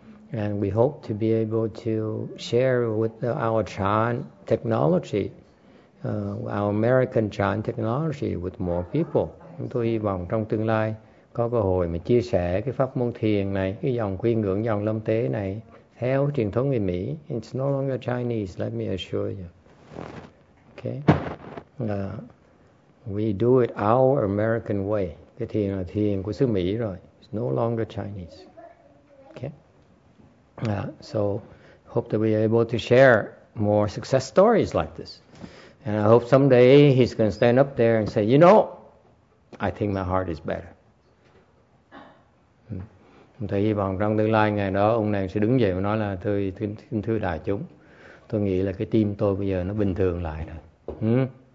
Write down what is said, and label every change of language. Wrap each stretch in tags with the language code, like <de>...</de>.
<en>And we hope to be able to share with our chan technology. Our American chan technology with more people.</en> <vi>Chúng tôi hy vọng trong tương lai có cơ hội mà chia sẻ cái pháp môn thiền này, cái dòng quy ngưỡng, dòng lâm tế này theo truyền thống người Mỹ.</vi> <en>It's no longer Chinese, let me assure you. Okay. We do it our American way.</en> <vi>Cái thiền là thiền của xứ Mỹ rồi.</vi> <en>It's no longer Chinese. Okay. So hope to be able to share more success stories like this. And I hope someday he's going to stand up there and say, you know, I think my heart is better.</en> <vi>Thầy hy vọng trong tương lai ngày đó ông này sẽ đứng dậy và nói là thưa đại chúng, tôi nghĩ là cái tim tôi bây giờ nó bình thường lại rồi.</vi>